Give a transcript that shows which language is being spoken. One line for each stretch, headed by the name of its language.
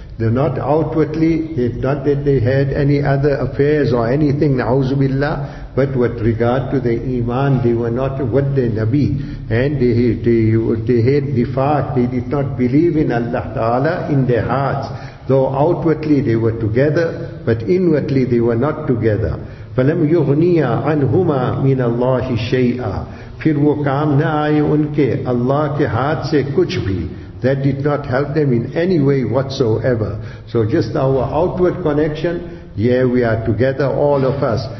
English: They're not outwardly, it's not that they had any other affairs or anything, na'uzu billah, but with regard to their iman, they were not what the Nabi, and they had nifaq, they did not believe in Allah Ta'ala in their hearts. Though outwardly they were together, but inwardly they were not together.
Arabic: فَلَمْ يُغْنِيَا عَنْهُمَا مِنَ اللَّهِ شَيْئًا
Urdu: پھر وہ کام نہ آئے ان کے اللہ کے ہاتھ سے کچھ بھی.
English: That did not help them in any way whatsoever. So just our outward connection, yeah, we are together, all of us.